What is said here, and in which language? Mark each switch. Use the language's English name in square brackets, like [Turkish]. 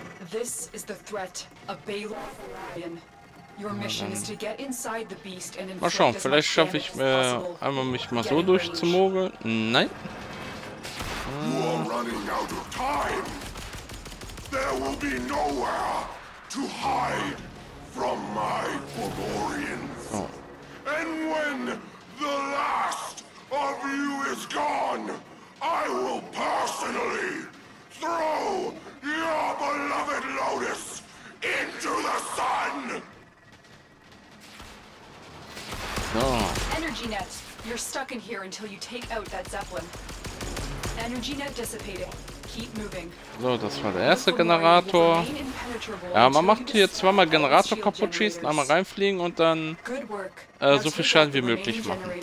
[English] This is the threat of Baylorian. Your mission is to get inside the beast and [German] mal schauen, vielleicht schaffe ich einmal mich mal so durchzumogeln. Nein. [English] Running out of time. There will be nowhere to hide from my Fomorians. And when the last of you is gone, I will personally throw your beloved Lotus into the sun. Energy net, you're stuck in here until you take out that zeppelin. Energy net dissipating. Keep moving. [German] So, das war der erste Generator. Ja, man macht hier zweimal Generator kaputt schießen, einmal reinfliegen und dann so viel Schaden wie möglich machen.